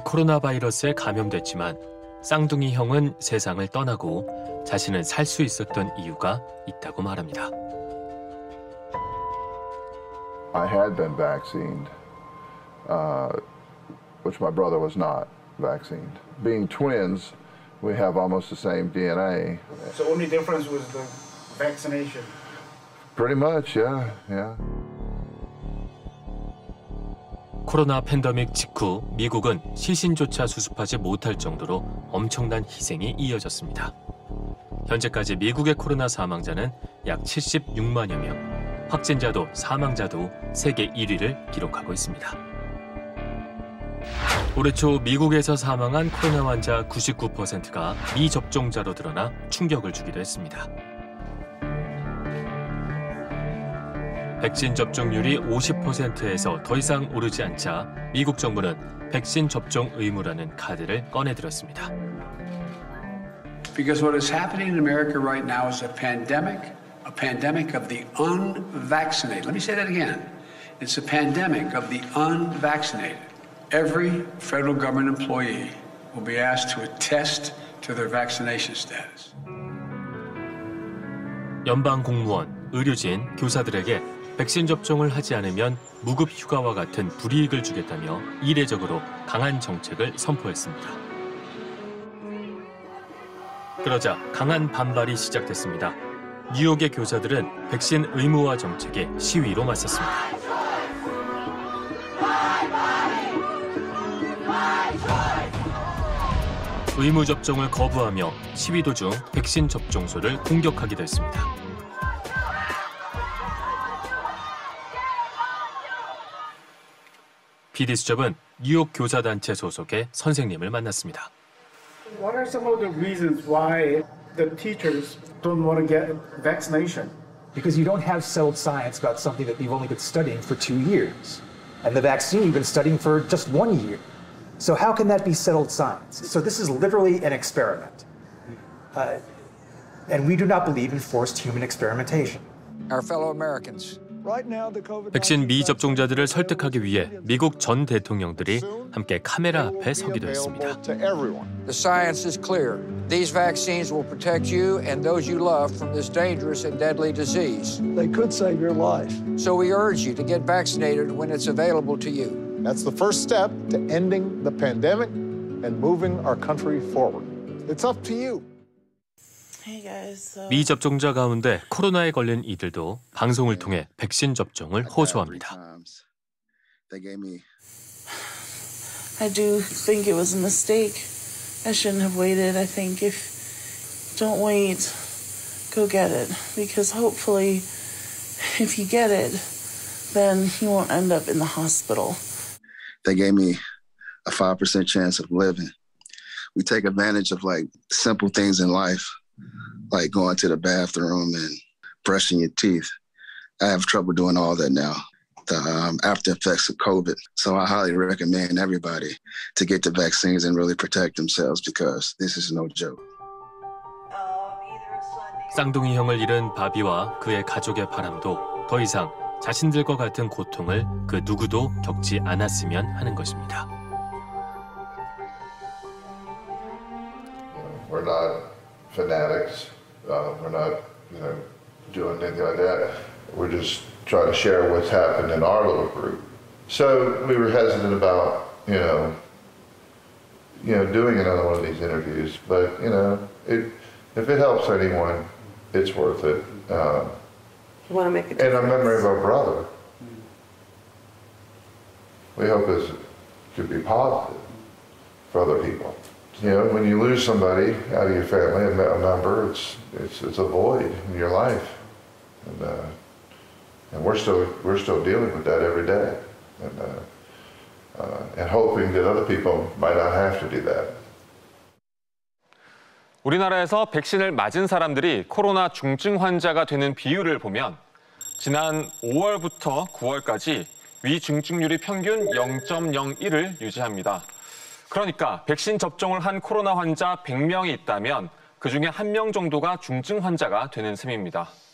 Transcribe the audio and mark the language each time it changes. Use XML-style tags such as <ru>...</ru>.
<ko>코로나 바이러스에 감염됐지만 쌍둥이 형은 세상을 떠나고 자신은 살 수 있었던 이유가 있다고 말합니다.</ko> <en>I had been vaccinated, which my brother was not vaccinated. Being twins, we have almost the same DNA. So only difference was the vaccination. Pretty much, yeah.</en> <ko>코로나 팬데믹 직후 미국은 시신조차 수습하지 못할 정도로 엄청난 희생이 이어졌습니다. 현재까지 미국의 코로나 사망자는 약 76만여 명, 확진자도 사망자도 세계 1위를 기록하고 있습니다. 올해 초 미국에서 사망한 코로나 환자 99%가 미접종자로 드러나 충격을 주기도 했습니다. 백신 접종률이 50%에서 더 이상 오르지 않자 미국 정부는 백신 접종 의무라는 카드를 꺼내들었습니다.</ko> <en>Because what is happening in America right now is a pandemic of the unvaccinated. Let me say that again. It's a pandemic of the unvaccinated. Every federal government employee will be asked to attest to their vaccination status.</en> <ko>연방 공무원, 의료진, 교사들에게 백신 접종을 하지 않으면 무급 휴가와 같은 불이익을 주겠다며 이례적으로 강한 정책을 선포했습니다. 그러자 강한 반발이 시작됐습니다. 뉴욕의 교사들은 백신 의무화 정책에 시위로 맞섰습니다. 의무 접종을 거부하며 시위 도중 백신 접종소를 공격하기도 했습니다. 피디 수첩은 뉴욕 교사 단체 소속의 선생님을 만났습니다.</ko> <en>What are some of the reasons why the teachers don't want to get vaccination? Because you don't have settled science about something that you've only been studying for 2 years, and the vaccine you've been studying for just 1 year. So how can that be settled science? So this is literally an experiment, and we do not believe in forced human experimentation. Our fellow Americans.</en> <ko>백신 미접종자들을 설득하기 위해 미국 전 대통령들이 함께 카메라 앞에 서기도 했습니다.</ko> <en>The science is clear. These vaccines will protect you and those you love from this dangerous and deadly disease. They could save your life. So we urge you to get vaccinated when it's available to you. That's the first step to ending the pandemic and moving our country forward. It's up to you.</en> <ko>미 접종자 가운데 코로나에 걸린 이들도 방송을 통해 백신 접종을 호소합니다.</ko> <en>I do think it was a mistake. I shouldn't have waited. I think if don't wait, go get it. Because hopefully, if you get it, then you won't end up in the hospital. They gave me a 5% chance of living. We take advantage of like simple things in life. Like going to the bathroom and brushing your teeth. I have trouble doing all that now, the after effects of COVID. So I highly recommend everybody to get the vaccines and really protect themselves because this is no joke.</en> <ko>쌍둥이 형을 잃은 바비와 그의 가족의 바람도 더 이상 자신들과 같은 고통을 그 누구도 겪지 않았으면 하는 것입니다.</ko> <en>We're not fanatics. We're not, you know, doing anything like that. We're just trying to share what's happened in our little group. So we were hesitant about, you know, doing another one of these interviews. But, you know, if it helps anyone, it's worth it. You want to make a difference. In a memory of our brother. We hope this could be positive for other people. You know, when you lose somebody out of your family, a member, it's a void in your life, and we're still dealing with that every day, and hoping that other people might not have to do that.</en> <ko>우리나라에서 백신을 맞은 사람들이 코로나 중증 환자가 되는 비율을 보면 지난 5월부터 9월까지 위중증률이 평균 0.01을 유지합니다. 그러니까 백신 접종을 한 코로나 환자 100명이 있다면 그중에 1명 정도가 중증 환자가 되는 셈입니다.</ko>